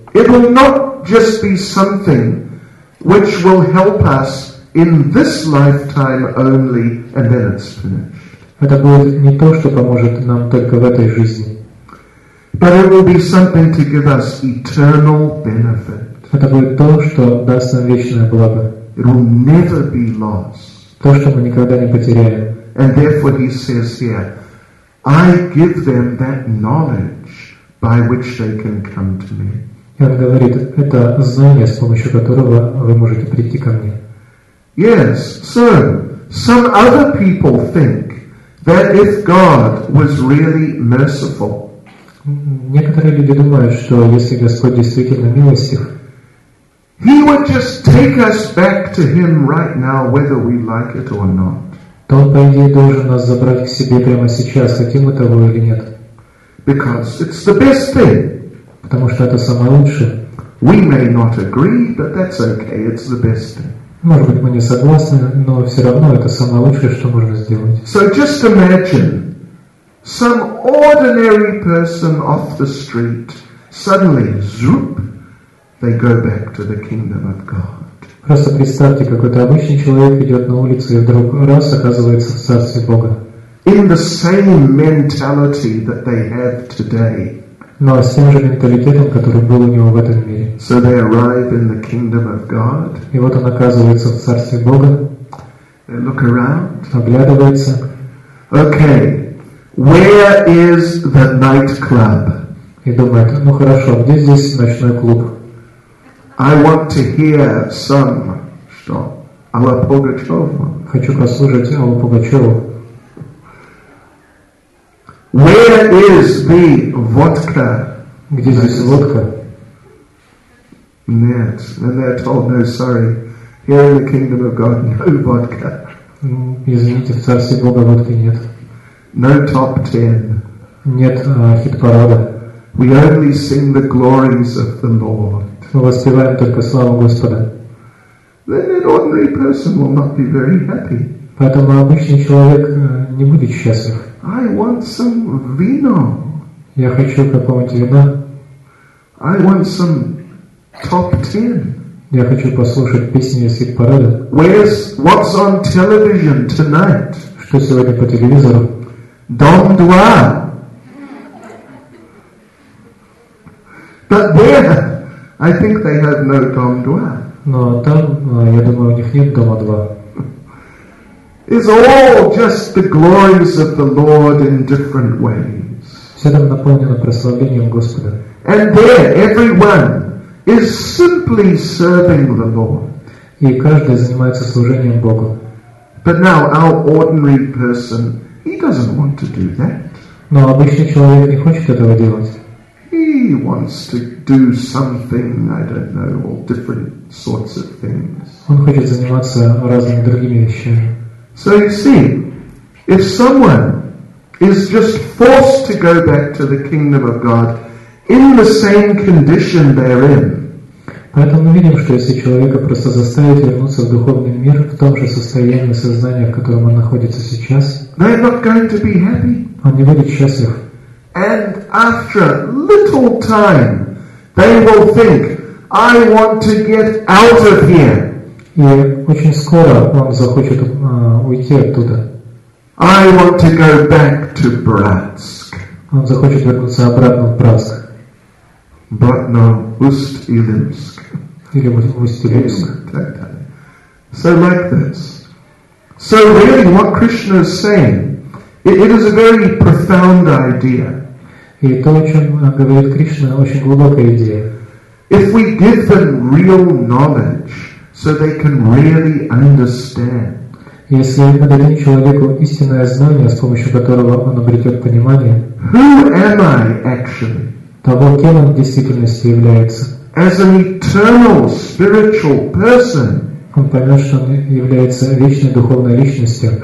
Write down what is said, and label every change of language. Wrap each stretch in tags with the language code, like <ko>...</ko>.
<en>it will not just be something which will help us in this lifetime only, and then it's finished.</en> <ru>Это будет не то, что поможет нам только в этой жизни.</ru> <en>But it will be something to give us eternal benefit.</en> <ru>Это будет то, что даст нам вечное благо.</ru> <en>It will never be lost.</en> <ru>То, что мы никогда не потеряем.</ru> <en>And therefore he says here, I give them that knowledge by which they can come to me.</en> <ru>И он говорит, это знание, с помощью которого вы можете прийти ко мне.</ru> <en>Yes, so Some other people think that if God was really merciful,</en> <ru>некоторые люди думают, что если Господь действительно милостив,</ru> <en>He would just take us back to Him right now, whether we like it or not.</en> <ru>То Он, по идее, должен нас забрать к себе прямо сейчас, хотим мы того или нет.</ru> <en>Because it's the best thing.</en> <ru>Потому что это самое лучшее.</ru> <en>We may not agree, but that's okay. It's the best thing.</en> <ru>Может быть, мы не согласны, но все равно это самое лучшее, что можно сделать.</ru> <en>So just imagine some ordinary person off the street suddenly, zoop, they go back to the kingdom of God.</en> <ru>Просто представьте, какой-то обычный человек идет на улицу и вдруг раз оказывается в царстве Бога.</ru> <en>In the same mentality that they have today.</en> <ru>Но с тем же менталитетом, который был у него в этом мире.</ru> <en>So they arrive in the kingdom of God.</en> <ru>И вот он оказывается в царстве Бога.</ru> <en>They look around.</en> <ru>Оглядывается.</ru> <en>Okay, where is the nightclub?</en> <ru>И думает, ну хорошо, где здесь ночной клуб?</ru> <en>I want to hear some,</en> <ru>что?</ru> <en>Алла Пугачёва.</en> <ru>Хочу послушать Аллу Пугачёву.</ru> <en>Where is the vodka?</en> <ru>Где здесь водка? Нет.</ru> <en>And they're told, no, sorry. Here in the kingdom of God, no vodka.</en> <ru>Извините, в царстве Бога водки нет.</ru> <en>No top ten.</en> <ru>Нет хит-парада.</ru> <en>We only sing the glories of the Lord.</en> <ru>Мы воспеваем только славу Господа.</ru> <en>Then an ordinary person will not be very happy.</en> <ru>Поэтому обычный человек не будет счастлив.</ru> <en>I want some vino.</en> <ru>Я хочу какого-нибудь вина.</ru> <en>I want some top ten.</en> <ru>Я хочу послушать песни из хит-парада.</ru> <en>Where's what's on television tonight?</en> <ru>Что сегодня по телевизору? Дом два.</ru> <en>But there, I think they have no дом два.</en> <ru>Но там, я думаю, у них нет дома два.</ru> <en>It's all just the glories of the Lord in different ways.</en> <ru>Все там наполнено прославлением Господа.</ru> <en>And there, everyone is simply serving the Lord.</en> <ru>И каждый занимается служением Богу.</ru> <en>But now, our ordinary person, he doesn't want to do that.</en> <ru>Но обычный человек не хочет этого делать.</ru> <en>He wants to do something, I don't know, all different sorts of things.</en> <ru>Он хочет заниматься разными другими вещами.</ru> <en>So you see, if someone is just forced to go back to the kingdom of God in the same condition they're in,</en> <ru>поэтому мы видим, что если человека просто заставить вернуться в духовный мир в том же состоянии сознания, в котором он находится сейчас,</ru> <en>they're not going to be happy.</en> <ru>Он не будет счастлив.</ru> <en>And after little time, they will think, "I want to get out of here."</en> <ru>И очень скоро он захочет уйти оттуда.</ru> <en>I want to go back to Bratsk.</en> <ru>Он захочет вернуться обратно в Братск.</ru> <en>But no, Усть-Илимск.</en> <ru>Или Усть-Илимск.</ru> <en>So like this. So really, what Krishna is saying, it is a very profound idea.</en> <ru>И то, о чем говорит Кришна, очень глубокая идея.</ru> <en>If we give them real knowledge, so they can really understand.</en> <ru>Если мы дадим человеку истинное знание, с помощью которого он обретет понимание,</ru> <en>who am I actually?</en> <ru>Того, кем он в действительности является.</ru> <en>As an eternal spiritual person.</en> <ru>Он поймет, что он является вечной духовной личностью.</ru>